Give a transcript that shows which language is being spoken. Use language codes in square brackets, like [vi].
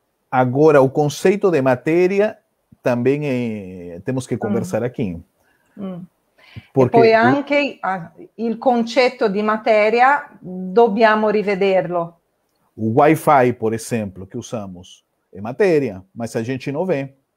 [pt] Agora, o conceito de matéria também é, temos que conversar aqui. Porque [it] e poi anche il concetto di materia dobbiamo rivederlo. [pt] O Wi-Fi, por exemplo, que usamos, é matéria, mas a gente não vê.